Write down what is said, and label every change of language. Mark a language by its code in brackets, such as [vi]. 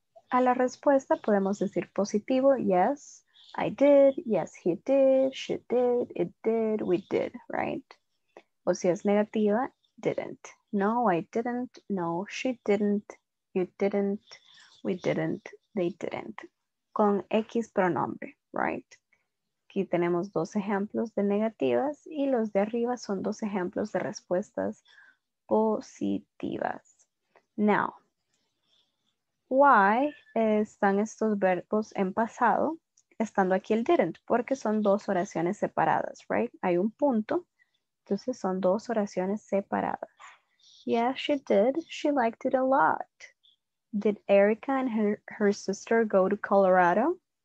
[es] A la respuesta podemos decir positivo, [en] yes, I did, yes, he did, she did, it did, we did, right? [es] O si es negativa, didn't. [en] No, I didn't, no, she didn't, you didn't, we didn't, they didn't. [es] Con X pronombre, right? Aquí tenemos dos ejemplos de negativas y los de arriba son dos ejemplos de respuestas positivas. [en] Now, why [es] están estos verbos en pasado estando aquí el didn't? Porque son dos oraciones separadas, right? Hay un punto, entonces son dos oraciones separadas. [en] Yeah, she did. She liked it a lot. Did Erica and her sister go to Colorado?